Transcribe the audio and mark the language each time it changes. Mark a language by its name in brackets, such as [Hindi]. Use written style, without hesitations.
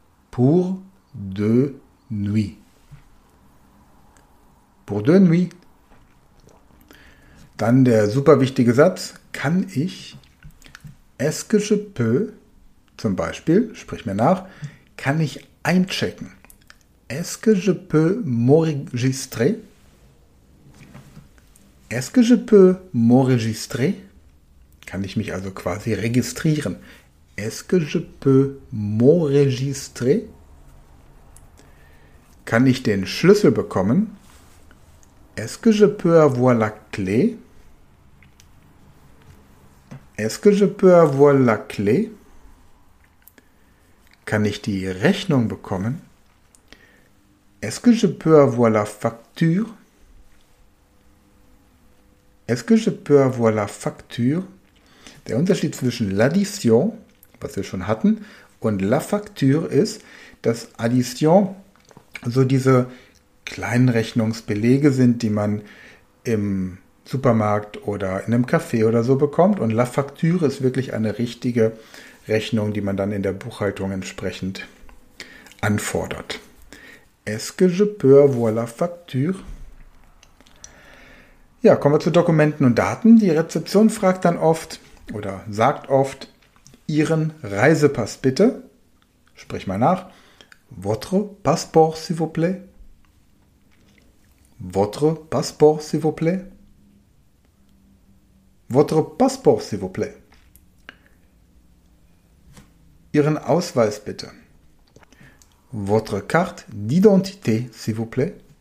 [French] Pour deux nuits. Pour deux nuits. [German] Dann der super wichtige Satz. Kann ich? [French] Est-ce que je peux? [German] Zum Beispiel, sprich mir nach. Kann ich einchecken? [French] Est-ce que je peux m'enregistrer? Est-ce que je peux m'enregistrer? [German] Kann ich mich also quasi registrieren? [French] Est-ce que je peux m'enregistrer? [German] Kann ich den Schlüssel bekommen? [French] Est-ce que je peux avoir la clé? Est-ce que je peux avoir la clé? [German] Kann ich die Rechnung bekommen? [French] Est-ce que je peux avoir la facture? Est-ce que je peux avoir la facture? [German] Der Unterschied zwischen l'addition, was wir schon hatten, und la facture ist, dass addition so diese kleinen Rechnungsbelege sind, die man im Supermarkt oder in einem Café oder so bekommt. Und la facture ist wirklich eine richtige Rechnung, die man dann in der Buchhaltung entsprechend anfordert. [French] Est-ce que je peux avoir la facture? [German] Ja, kommen wir zu Dokumenten und Daten. Die Rezeption fragt dann oft oder sagt oft, Ihren Reisepass bitte. Sprich mal nach. [French] Votre passeport, s'il vous plaît. Votre passeport, s'il vous plaît. Votre passeport, s'il vous plaît. [German] Ihren Ausweis bitte. [French] Votre carte d'identité, s'il vous plaît.